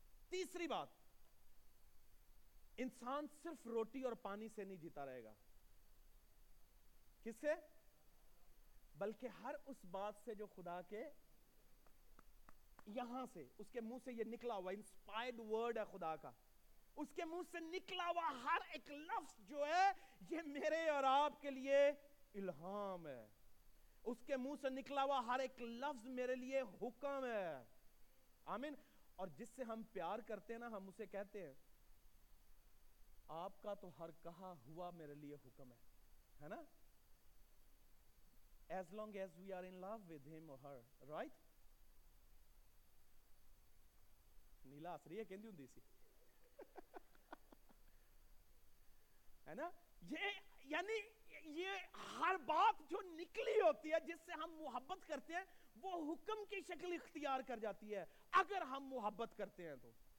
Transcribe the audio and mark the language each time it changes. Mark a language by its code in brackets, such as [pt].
[ur] تیسری بات, انسان صرف روٹی اور پانی سے نہیں جیتا رہے گا, کس سے؟ بلکہ ہر اس بات سے جو خدا کے یہاں سے اس کے منہ سے یہ نکلا ہوا انسپائرڈ ورڈ ہے خدا کا, اس کے منہ سے نکلا ہوا ہر ایک لفظ جو ہے یہ میرے اور آپ کے لیے الہام ہے. اس کے منہ سے نکلا ہوا ہر ایک لفظ میرے لیے حکم ہے. آمین. اور جس سے ہم پیار کرتے ہیں نا, ہم اسے کہتے ہیں آپ کا تو ہر کہا ہوا میرے لیے حکم ہے, ہے نا. [en] As long as we are in love with him or her, right? [pa] نیلا آسری کہندی ہوندی سی, ہے نا. [ur] یہ یعنی یہ ہر بات جو نکلی ہوتی ہے جس سے ہم محبت کرتے ہیں وہ حکم کی شکل اختیار کر جاتی ہے اگر ہم محبت کرتے ہیں تو.